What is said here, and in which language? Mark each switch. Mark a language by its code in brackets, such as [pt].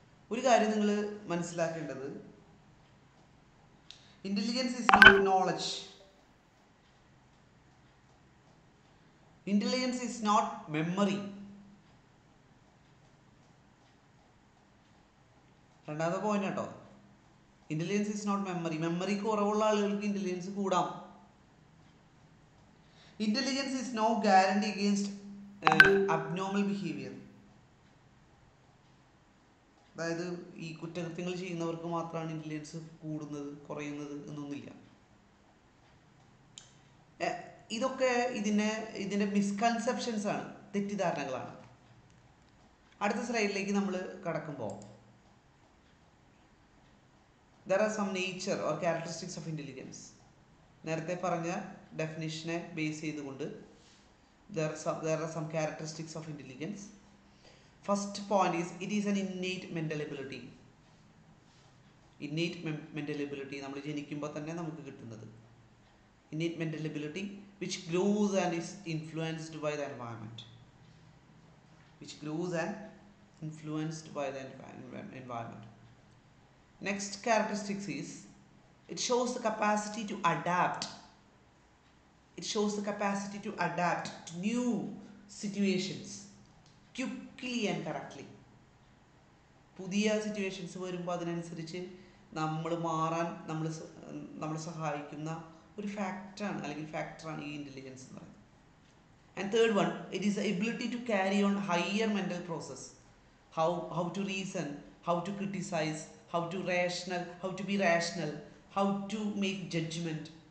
[ml] ഒരു കാര്യം നിങ്ങൾ മനസ്സിലാക്കേണ്ടത്, [en] intelligence is not knowledge. Intelligence is not memory. [ml] രണ്ടാമത്തെ പോയിന്റ് ആട്ടോ, [en] Intelligence is not memory. [ml] Memory കുറവുള്ള ആളുകൾക്ക് ഇന്റലിജൻസ് കൂടാം. [en] Intelligence is no guarantee against abnormal behaviour. [ml] അതായത് ഈ കുറ്റകൃത്യങ്ങൾ ചെയ്യുന്നവർക്ക് മാത്രമാണ് ഇന്റലിജൻസ് കൂടുന്നത് കുറയുന്നത് എന്നൊന്നുമില്ല. ഇതൊക്കെ ഇതിൻ്റെ മിസ്കൺസെപ്ഷൻസ് ആണ്, തെറ്റിദ്ധാരണകളാണ്. അടുത്ത സ്ലൈഡിലേക്ക് നമ്മൾ കടക്കുമ്പോൾ [en] There are some nature or characteristics of intelligence. [ml] നേരത്തെ പറഞ്ഞ ഡെഫിനിഷനെ ബേസ് ചെയ്തുകൊണ്ട് [en] There are some characteristics of intelligence. First point is, it is an innate mental ability. Innate mental ability, [ml] നമ്മൾ ജനിക്കുമ്പോൾ തന്നെ നമുക്ക് കിട്ടുന്നത്. [en] Innate mental ability, which grows and is influenced by the environment. Which grows and influenced by the environment. Next characteristic is, it shows the capacity to adapt. It shows the capacity to adapt to new situations quickly and correctly. [ml] പുതിയ situations വരുമ്പോൾ അതിനനുസരിച്ച് നമ്മൾ മാറാൻ നമ്മളെ സഹായിക്കുന്ന ഒരു ഫാക്ടറാണ് അല്ലെങ്കിൽ ഫാക്ടറാണ് ഈ ഇൻ്റലിജൻസ് എന്ന് പറയുന്നത്. [en] And third one, it is ability to carry on higher mental process. How to reason, how to criticise, how to rational, how to be rational, how to make judgement.